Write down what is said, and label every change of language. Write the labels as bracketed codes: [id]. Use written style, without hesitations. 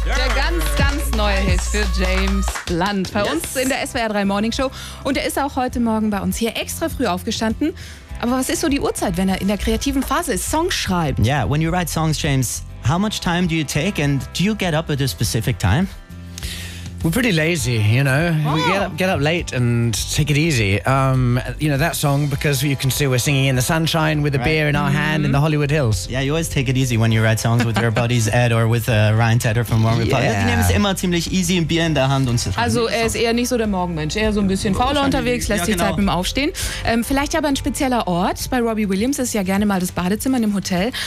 [de] Der ganz, ganz neue Hit für James Blunt. Bei uns in der SWR 3 Morning Show. Und er ist auch heute Morgen bei uns hier extra früh aufgestanden. Aber was ist so die Uhrzeit, wenn er in der kreativen Phase ist, Songs schreibt? [en] Yeah, when you write songs, James, how much time do you take and do you get up at a specific time? We're pretty lazy, you know. Oh. We get up late and take it easy. You know, that song, because you can see we're singing in the sunshine with a beer in our hand in the Hollywood Hills. Yeah, you always take it easy when you write songs with your buddies Ed or with Ryan Tedder from Warm Reply. [de] Yeah. Die nehmen es immer ziemlich easy, ein Bier in der Hand. Und also er ist eher nicht so der Morgenmensch, eher so ein bisschen fauler unterwegs, lässt sich Zeit beim Aufstehen. Vielleicht aber ein spezieller Ort bei Robbie Williams, ist ja gerne mal das Badezimmer in dem Hotel.